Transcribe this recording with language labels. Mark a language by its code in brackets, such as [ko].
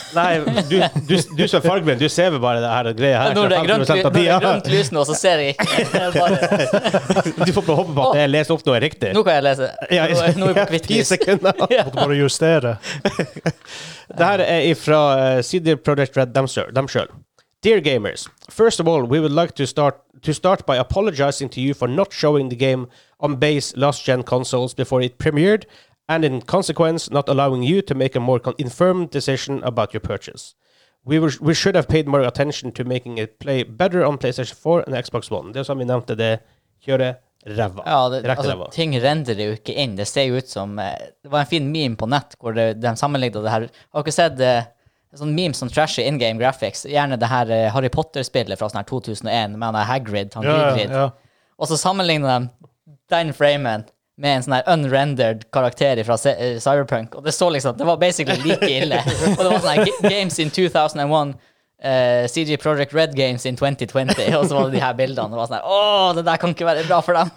[no] Nei, du ser fargen, du ser bare det her greia her. Når det er grønt lys nå, så ser jeg ikke. Du får bare hoppe på at jeg leser opp noe riktig. Nå kan jeg lese. Ja, nå er vi på kvitt lys. 10 sekunder. Ja. Måtte bare justere. Dette er fra CD Projekt Red dem selv. [en] Dear gamers, first of all, we would like to start by apologizing to you for not showing the game on base last-gen consoles before it premiered, and in consequence, not allowing you to make a more informed decision about your purchase. We should have paid more attention to making it play better on PlayStation 4 and Xbox One. [no] Det som vi nevnte, det kjører revva. Ja, altså, ting render jo ikke inn. Det ser ut som... Det var en fin meme på nett hvor de sammenligde det her. Har dere sett... [sv] sån memes som [en] trashy in-game graphics, [sv] gärna det här Harry Potter-spelet från sån här 2001 med Hagrid, han Hagrid. Ja. Och så sammanlignar de den framen med en sån här unrendered karaktär ifrån Cyberpunk och det står liksom det var basically lika illa. Och det var sån här [en] games in 2001 CD Projekt Red games in 2020 [sv] och så var det de här bilderna och var sån här åh det där kan inte vara bra för dem.